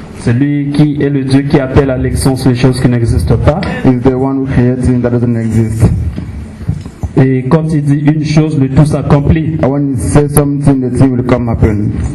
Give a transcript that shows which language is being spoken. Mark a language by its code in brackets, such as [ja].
[fr] Celui qui est le Dieu qui appelle à l'existence les choses qui n'existent pas. [en] Is the one who creates things that doesn't exist. [fr] Et quand il dit une chose, le tout s'accomplit. [en] When he says something, the thing will come happen.